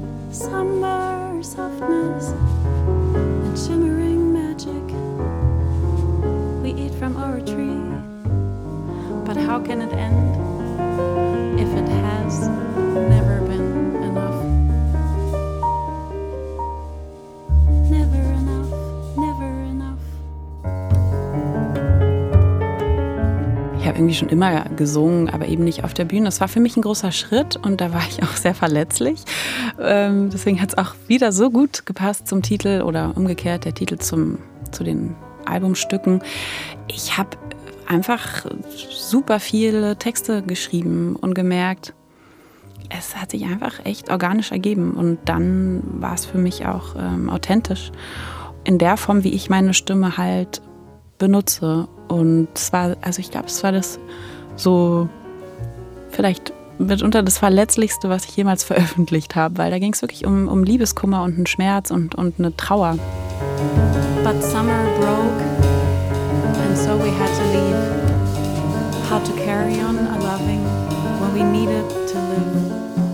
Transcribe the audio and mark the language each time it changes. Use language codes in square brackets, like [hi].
[en] Summer softness, shimmering magic, we eat from our tree. But how can it end if it has never been enough? Never enough, never enough. [de] Ich habe irgendwie schon immer gesungen, aber eben nicht auf der Bühne. Das war für mich ein großer Schritt und da war ich auch sehr verletzlich. Deswegen hat es auch wieder so gut gepasst zum Titel oder umgekehrt der Titel zu den Albumstücken. Ich habe einfach super viele Texte geschrieben und gemerkt, es hat sich einfach echt organisch ergeben. Und dann war es für mich auch authentisch in der Form, wie ich meine Stimme halt benutze. Und zwar, also ich glaube, es war das so vielleicht mitunter das Verletzlichste, was ich jemals veröffentlicht habe, weil da ging es wirklich um Liebeskummer und einen Schmerz und eine Trauer. [en] But summer broke and so we had to leave. How to carry on a loving when we needed to live.